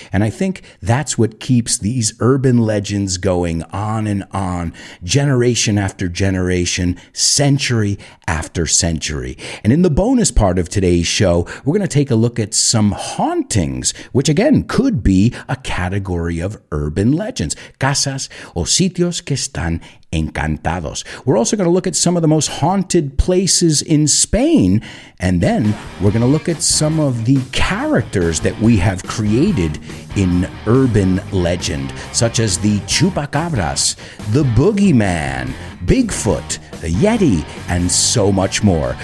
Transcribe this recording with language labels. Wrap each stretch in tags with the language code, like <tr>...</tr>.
<en>And I think that's what keeps these urban legends going on and on, generation after generation, century after century. And in the bonus part of today's show, we're going to take a look at some hauntings, which again could be a category of urban legends.</en> <es>Casas o sitios que están encantados.</es> <en>We're also going to look at some of the most haunted places in Spain, and then we're going to look at some of the characters that we have created in urban legend, such as the Chupacabras, the Boogeyman, Bigfoot, the Yeti, and so much more.</en>